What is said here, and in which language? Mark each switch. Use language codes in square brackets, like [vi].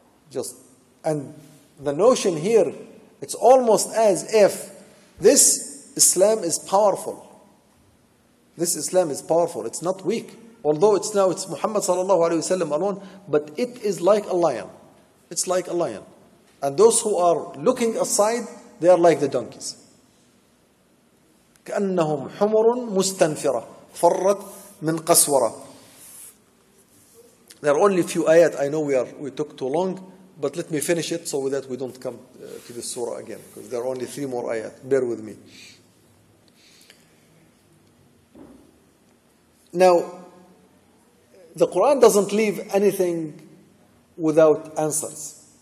[en] Just, and the notion here, it's almost as if this Islam is powerful. This Islam is powerful. It's not weak. Although it's now it's Muhammad sallallahu alayhi wa sallam alone, but it is like a lion. It's like a lion. And those who are looking aside, they are like the donkeys. [ar] كأنهم حمر مستنفرة فرت من قسورة. [en] There are only a few ayat. I know we took too long, but let me finish it so that we don't come to the surah again, because there are only three more ayat. Bear with me. Now, the Quran doesn't leave anything without answers.